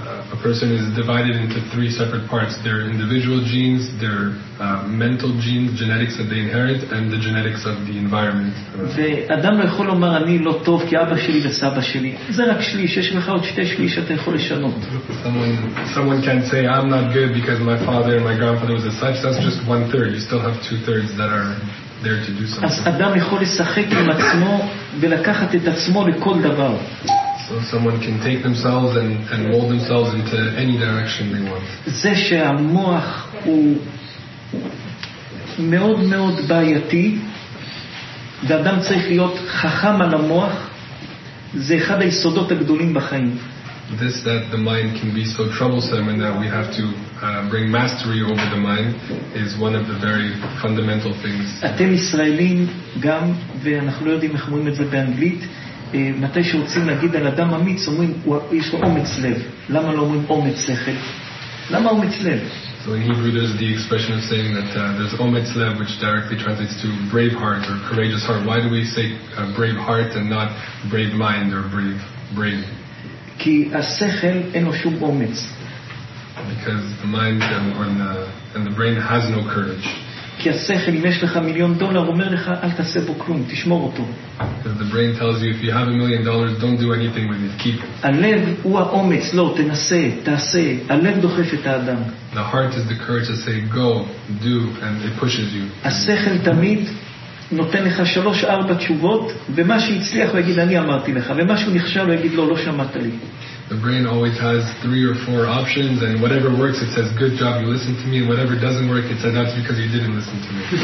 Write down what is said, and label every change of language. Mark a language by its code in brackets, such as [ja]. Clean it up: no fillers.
[en] A person is divided into three separate parts: their individual genes, their mental genes, genetics that they inherit, and the genetics of the environment. [he] ואדם לא יכול לומר אני לא טוב כי אבא שלי וסבא שלי. זה רק שליש, יש לך עוד שתי שליש שאתה יכול לשנות. [en] Someone can say I'm not good because my father and my grandfather was a such. That's just one third. You still have two thirds that are there to do something. [he] אז אדם יכול לשחק עם עצמו ולקחת את עצמו לכל דבר. [en] So someone can take themselves and mold themselves into any direction they want. [he] זה שהמוח הוא מאוד מאוד בעייתי, ואדם צריך להיות חכם על המוח, זה אחד היסודות הגדולים בחיים. [en] This that the mind can be so troublesome and that we have to bring mastery over the mind is one of the very fundamental things. [he] אתם ישראלים גם, ואנחנו לא יודעים איך אומרים את זה באנגלית, מתי שרוצים להגיד על אדם אמיץ אומרים יש לו אומץ לב. למה לא אומרים אומץ שכל? למה אומץ לב? [en] So in Hebrew there's the expression of saying that there's [he] אומץ לב, [en] which directly translates to brave heart or courageous heart. Why do we say brave heart and not brave mind or brave? [he] כי השכל אין לו שום אומץ. [en] Because the mind and the brain has no courage. [he] כי השכל, אם יש לך מיליון דולר, אומר לך, אל תעשה בו כלום, תשמור אותו. [en] The brain tells you, if you have $1 million, don't do anything with it, keep it. [he] הלב הוא האומץ, לא, תנסה, תעשה. הלב דוחף את האדם. [en] The heart is the courage to say, go, do, and it pushes you. [he] השכל תמיד נותן לך 3-4 תשובות, ומה שהצליח הוא יגיד, אני אמרתי לך, ומה שהוא נכשל הוא יגיד, לא, לא שמעת לי. [en] The brain always has 3 or 4 options, and whatever works, it says, good job, you listened to me, and whatever doesn't work, it says, that's because you didn't listen to me.